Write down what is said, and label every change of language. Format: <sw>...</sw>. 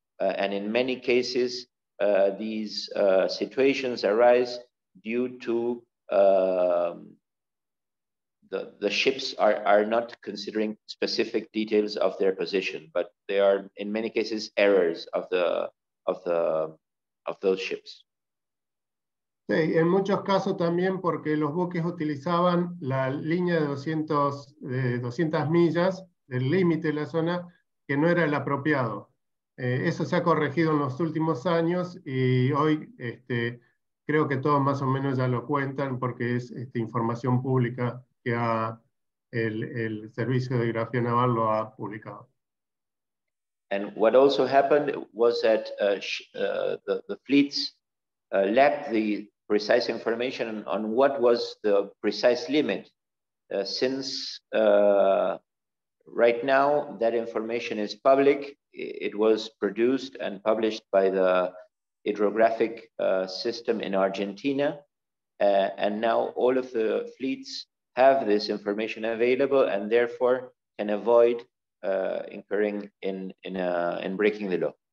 <en>And in many cases, these situations arise due to the ships are not considering specific details of their position, but they are in many cases errors of those ships.</en> <es>Sí, en muchos casos también porque los buques utilizaban la línea de 200 millas del límite de la zona, que no era el apropiado. Eso se ha corregido en los últimos años y hoy creo que todos más o menos ya lo cuentan porque es información pública que el Servicio de Geografía Naval lo ha publicado.</es> <en>And what also happened was that the fleets lacked the precise information on what was the precise limit. Since right now that information is public, it was produced and published by the hydrographic system in Argentina, and now all of the fleets have this information available and therefore can avoid incurring in breaking the law.</en>